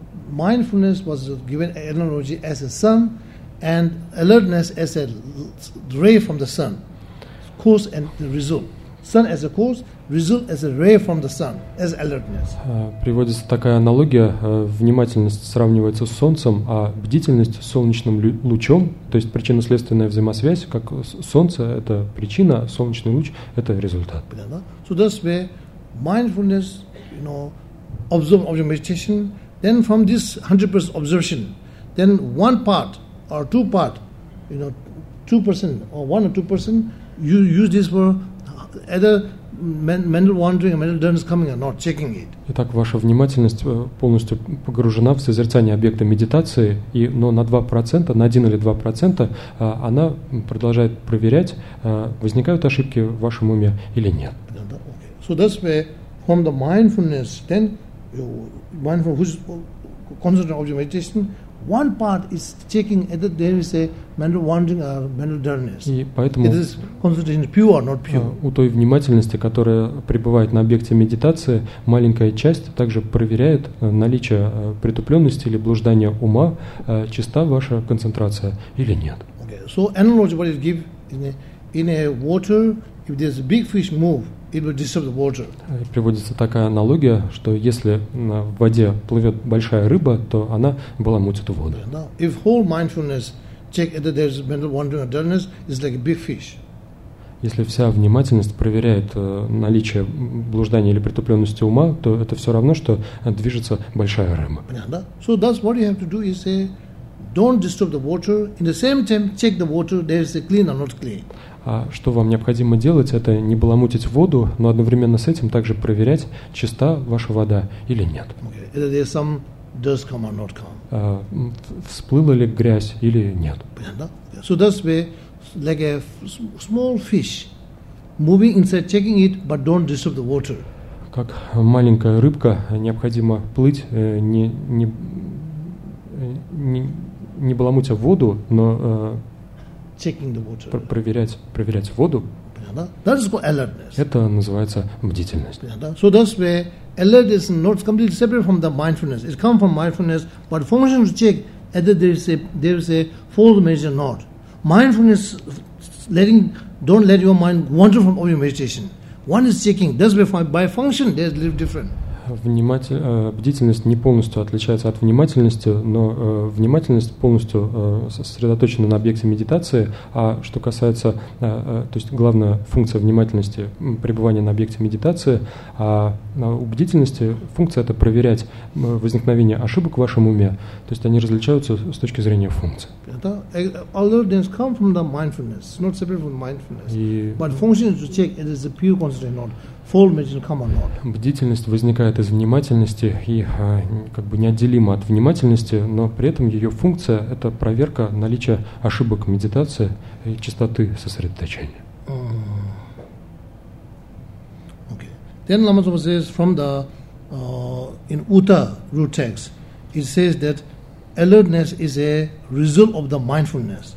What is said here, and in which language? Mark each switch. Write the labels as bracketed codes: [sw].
[en] Mindfulness was given analogy as a sun and alertness as a ray from the sun, cause and the result. Sun as a cause, result as a ray from the sun, as alertness. [ru] Приводится такая аналогия: внимательность сравнивается с солнцем, а бдительность с солнечным лучом. То есть причинно-следственная взаимосвязь, как солнце – это причина, солнечный луч – это результат. [en] So that's where mindfulness, observe object meditation. Then from this 100% observation, then one part or two part, 2% or 1 or 2%, you use this for either mental wandering or mental dullness coming or not, checking it. [ru] Итак, ваша внимательность полностью погружена в созерцание объекта медитации, но на 2%, на 1 или 2% она продолжает проверять, возникают ошибки в вашем уме или нет. [en] Okay. So that's where from the mindfulness, then mindfulness concentrated object meditation, one part is checking either there is a mental wandering or mental dullness. [ru] И поэтому [en] it is concentration pure or not pure. [ru] У той внимательности, которая пребывает на объекте медитации, маленькая часть также проверяет наличие притупленности или блуждания ума, чиста ваша концентрация или нет. [en] Okay. So analogy what it give in a water, if there's a big fish move, it will disturb the water. [ru] Приводится такая аналогия, что если в воде плывет большая рыба, то она баламутит воду. [en] If whole mindfulness check that there's mental wandering or dullness, it's like a big fish. [ru] Если вся внимательность проверяет наличие блуждания или притупленности ума, то это все равно, что движется большая рыба. [en] So that's what you have to do is say, don't disturb the water. In the same time, check the water, there's a clean or not clean. [ru] А что вам необходимо делать, это не баламутить воду, но одновременно с этим также проверять, чиста ваша вода или нет. [en] Okay. Some dust come or not come. [ru] Всплыла ли грязь или нет. [en] So that's where, like a small fish, moving inside, checking it, but don't disturb the water. [ru] Как маленькая рыбка, необходимо плыть, не баламутя воду, но [en] checking the water. [ru] Проверять воду. [en] That is called alertness. [ru] Это называется бдительность. [en] So that's where alert is not completely separate from the mindfulness. It comes from mindfulness, but function to check whether there is a false meditation or not. Mindfulness, don't let your mind wander from all your meditation. One is checking. That's where by function there is a little different. [ru] Бдительность не полностью отличается от внимательности, но внимательность полностью сосредоточена на объекте медитации, а что касается, то есть главная функция внимательности – пребывание на объекте медитации, а у бдительности функция – это проверять возникновение ошибок в вашем уме, то есть они различаются с точки зрения функции. [en] Alertness comes from the mindfulness, not separate from mindfulness. But function is to check if it is a pure concentration or not. Full meditation come or not. [ru] Бдительность возникает из внимательности и как бы неотделима от внимательности, но при этом ее функция – это проверка наличия ошибок медитации и частоты сосредоточения. [en] Okay. Then Lama Tsongkhapa says from the in Uta root text, it says that alertness is a result of the mindfulness.